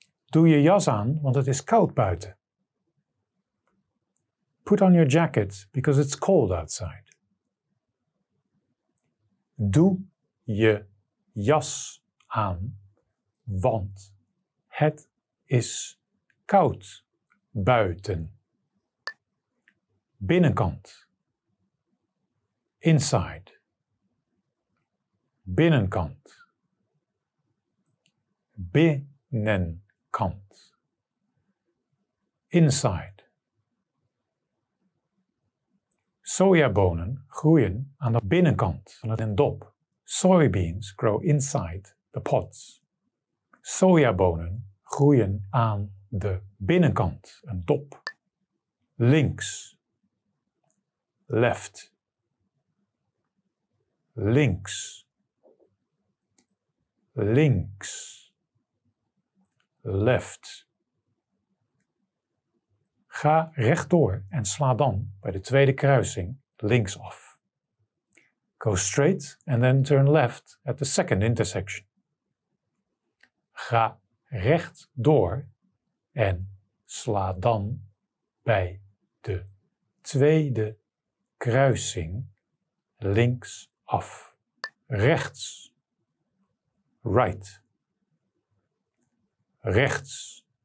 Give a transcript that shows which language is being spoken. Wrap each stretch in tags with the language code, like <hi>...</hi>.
<nl>Doe je jas aan, want het is koud buiten.</nl> <en>Put on your jacket, because it's cold outside.</en> <nl>Doe je jas aan, want het is koud buiten. Binnenkant, inside, binnenkant, binnenkant, inside. Sojabonen groeien aan de binnenkant van het dop.</nl> <en>Soybeans grow inside the pods.</en> <nl>Sojabonen groeien aan de binnenkant, een dop. Links. Left, links, links, left. Ga rechtdoor en sla dan bij de tweede kruising links af.</nl> <en>Go straight and then turn left at the second intersection.</en> <nl>Ga rechtdoor en sla dan bij de tweede kruising links af. Rechts. Right. Rechts.</nl>